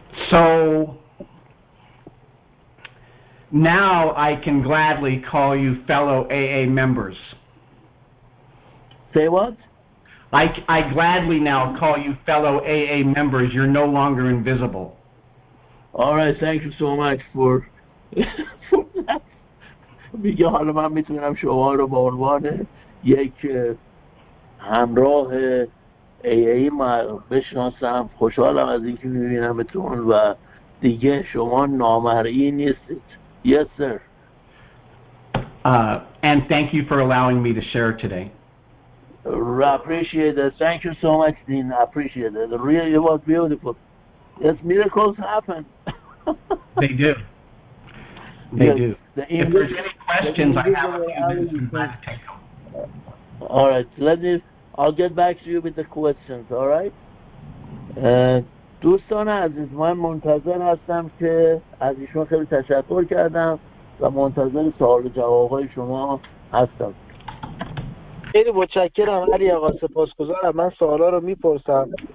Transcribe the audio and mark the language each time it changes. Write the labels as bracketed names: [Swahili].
[English] So now I can gladly call you fellow AA members. Say what? I gladly now call you fellow AA members. You're no longer invisible. All right, thank you so much for that. [Persian] میگه حالا من میتونم شما رو به عنوان یک همراه AA بشناسم. خوشحالم از اینکه میبینمتون و دیگه شما نامرئی نیستید. [English] Yes, sir. And thank you for allowing me to share today. I appreciate it. Thank you so much, Dean. I appreciate it. Really, it was beautiful. Yes, miracles happen. They do. They do. If there's any questions, I have a few minutes and glad to take them. All right. I'll get back to you with the questions, all right? [Persian] دوستان عزیز، من منتظر هستم که از ایشون خیلی تشکر کردم و منتظر سوال و جوابهای شما هستم. خیلی متشکرم علی آقا، سپاسگزارم. من سوالا رو میپرسم.